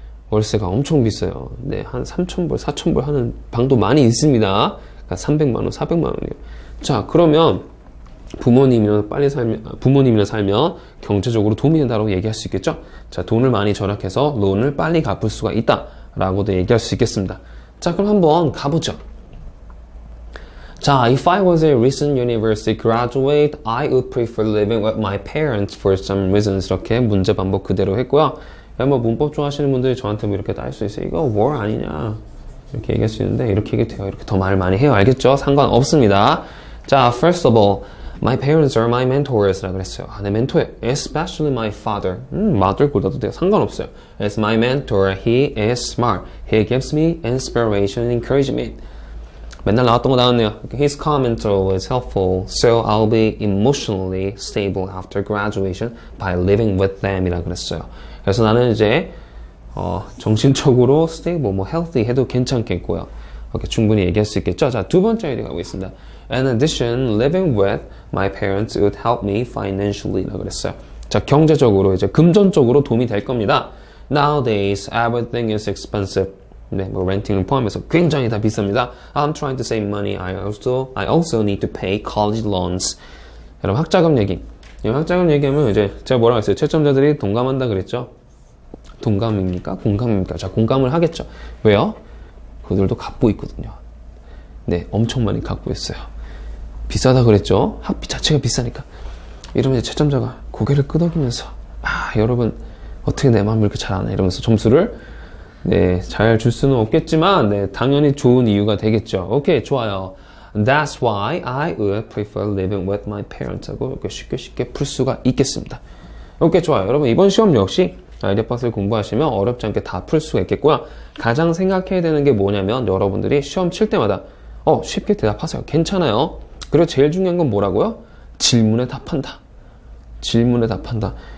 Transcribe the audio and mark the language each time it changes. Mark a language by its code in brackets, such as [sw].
[ko] 월세가 엄청 비싸요. 네, 한 3,000불, 4,000불 하는 방도 많이 있습니다. 그러니까 300만원, 400만원이요. 자, 그러면 부모님이랑 살면 경제적으로 도움이 된다고 얘기할 수 있겠죠? 자, 돈을 많이 절약해서 론을 빨리 갚을 수가 있다. 라고도 얘기할 수 있겠습니다. 자, 그럼 한번 가보죠. [en] 자, if I was a recent university graduate, I would prefer living with my parents for some reasons. [ko] 이렇게 문제 반복 그대로 했고요. 야, 뭐 문법 좋아하시는 분들이 저한테 뭐 이렇게 따질 수 있어요. 이거 war 아니냐. 이렇게 얘기할 수 있는데, 이렇게 얘기 돼요. 이렇게 더 말을 많이 해요. 알겠죠? 상관없습니다. 자, [en] first of all, my parents are my mentors. [ko] 라고 그랬어요. 아, 내 멘토예요. [en] Especially my father. Mother [ko] 골라도 돼요. 상관없어요. [en] As my mentor, he is smart. He gives me inspiration and encouragement. [ko] 맨날 나왔던 거 나왔네요. [en] His comments are always helpful, so I'll be emotionally stable after graduation by living with them. [ko] 이라고 그랬어요. 그래서 나는 이제 정신적으로 stable, 뭐 healthy 해도 괜찮겠고요. 이렇게 충분히 얘기할 수 있겠죠. 자, 두 번째 아이디어 가고 있습니다. [en] In addition, living with my parents would help me financially. [ko] 라고 그랬어요. 자, 경제적으로 이제 금전적으로 도움이 될 겁니다. [en] Nowadays, everything is expensive. [ko] 네, 뭐 렌팅을 포함해서 굉장히 다 비쌉니다. [en] I'm trying to save money. I also need to pay college loans. [ko] 여러분 학자금 얘기. 여러분 학자금 얘기하면 이제 제가 뭐라고 했어요? 채점자들이 동감한다 그랬죠? 동감입니까? 공감입니까? 자, 공감을 하겠죠. 왜요? 그들도 갚고 있거든요. 네, 엄청 많이 갚고 있어요. 비싸다 그랬죠? 학비 자체가 비싸니까. 이러면 이제 채점자가 고개를 끄덕이면서, 아, 여러분 어떻게 내 마음을 이렇게 잘 아나? 이러면서 점수를 네, 잘 줄 수는 없겠지만, 네, 당연히 좋은 이유가 되겠죠. 오케이, 좋아요. [en] That's why I would prefer living with my parents. [ko] 하고 이렇게 쉽게 풀 수가 있겠습니다. 오케이, 좋아요. 여러분, 이번 시험 역시 아이디어 박스를 공부하시면 어렵지 않게 다 풀 수가 있겠고요. 가장 생각해야 되는 게 뭐냐면, 여러분들이 시험 칠 때마다 쉽게 대답하세요. 괜찮아요. 그리고 제일 중요한 건 뭐라고요? 질문에 답한다. 질문에 답한다.